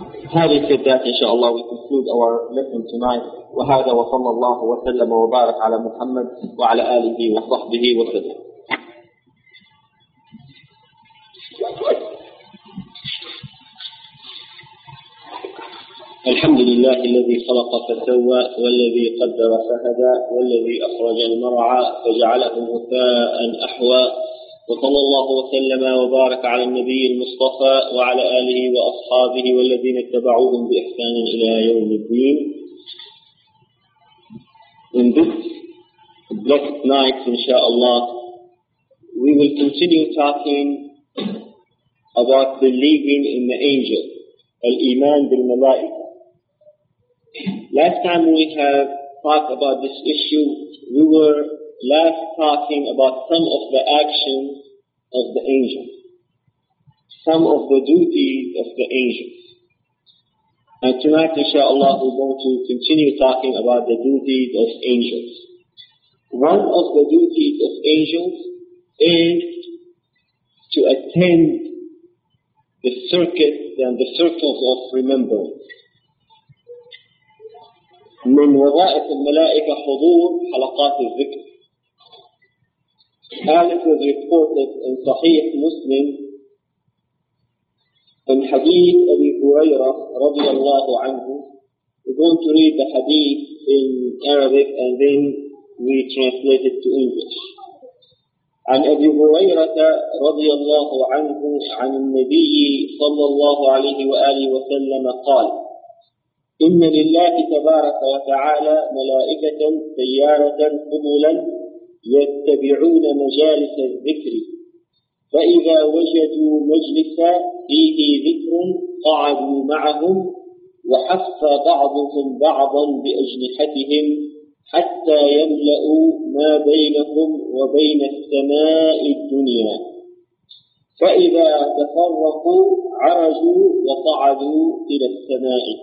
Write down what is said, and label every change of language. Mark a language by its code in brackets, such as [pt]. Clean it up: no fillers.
[ar] هذه كذلك إن شاء الله [en] we conclude our lesson tonight. [ar] وهذا وصلى الله وسلم وبارك على محمد وعلى آله وصحبه وسلم. الحمد لله الذي خلق فسوى والذي قدر فهدى والذي أخرج المرعى فجعله غثاء أحوى وصلى الله وسلم وبارك على النبي المصطفى وعلى آله وأصحابه والذين اتبعوهم بإحسان إلى يوم الدين. [en] In this blessed night, inshallah, we will continue talking about believing in the angel, [ar] الإيمان بالملائكة. [en] Last time we have talked about this issue, we were last talking about some of the actions of the angel, some of the duties of the angel. And tonight, inshallah, we're going to continue talking about the duties of angels. One of the duties of angels is to attend the circuit and the circles of remembrance. [ar] من وظائف الملائكة حضور حلقات الذكر. [en] As was reported in Sahih Muslim, in Hadith Abi Huraira [ar] رضي الله عنه. [en] We're going to read the Hadith in Arabic and then we translate it to English. [ar] عن أبي هريرة رضي الله عنه عن النبي صلى الله عليه وآله وسلم قال إن لله تبارك وتعالى ملائكة سيارة قبلا يتبعون مجالس الذكر فإذا وجدوا مجلسا فيه ذكر قعدوا معهم وحف بعضهم بعضا بأجنحتهم حتى يملأوا ما بينهم وبين السماء الدنيا فإذا تفرقوا عرجوا وقعدوا إلى السماء.